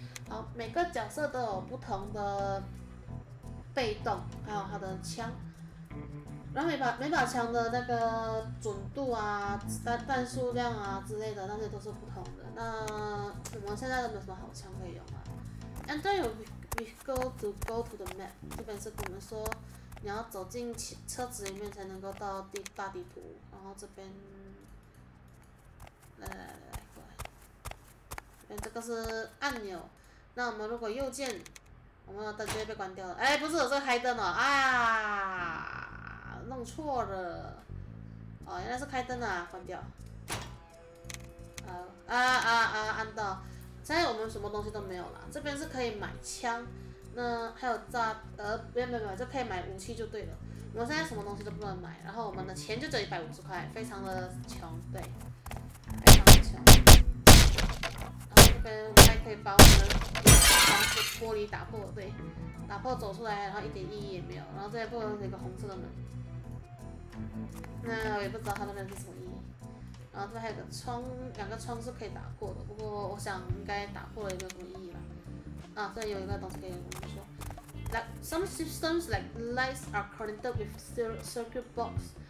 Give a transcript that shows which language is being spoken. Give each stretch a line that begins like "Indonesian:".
Chinese: 好，每个角色都有不同的被动，还有他的枪。然后每把枪的那个准度啊、弹数量啊之类的，那些都是不同的。那我们现在都没有什么好枪可以用啊。
English: Enter your vehicle to go to the map。
Chinese: 这边是跟我们说，你要走进车子里面才能够到大地图。然后这边，来过来，这边这个是按钮。那我们如果右键，我们的灯直接被关掉了。哎，不是，我是开灯了啊，弄错了。哦，原来是开灯啊，关掉。按到，现在我们什么东西都没有了。这边是可以买枪，那还有炸，没有，就可以买武器就对了。我们现在什么东西都不能买，然后我们的钱就只有150块，非常的穷，对，非常的穷。然后这边我们还可以把我们的玻璃打破，对，打破走出来，然后一点意义也没有。然后这边不能有一个红色的门，那我也不知道它那边是什么意义。然后这边还有个窗，两个窗是可以打破的，不过我想应该打破了也没有什么意义了。啊，这里有一个东西可以我们说。
English: Like some systems, like lights are connected with circuit box.